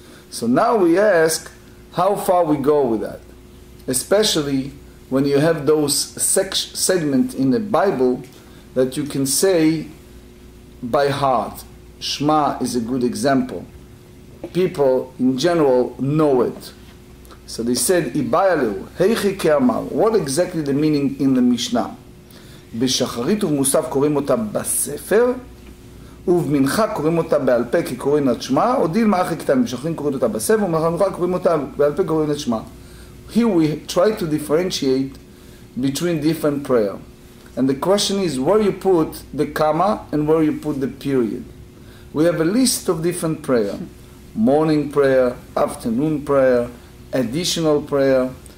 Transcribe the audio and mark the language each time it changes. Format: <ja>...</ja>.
<en>So now we ask how far we go with that, especially when you have those segment in the Bible that you can say by heart. Shema is a good example. People in general know it. So they said,</en> <arc>Ibayalu, Heichi Keamal,</arc> <en>what exactly the meaning in the Mishnah?</en> <he>בשחרית ובמוסף קוראים אותה בספר, ובמנחה קוראים אותה בעל פה כי קוראים את שמה, או דיל מאחי קטן, משחרית קוראים אותה בספר, ובמנחה קוראים אותה בעל פה קוראים את שמה.</he> <en>Here we try to differentiate between different prayer. And the question is, where you put the comma and where you put the period? We have a list of different prayer. Morning prayer, afternoon prayer, additional prayer.</en>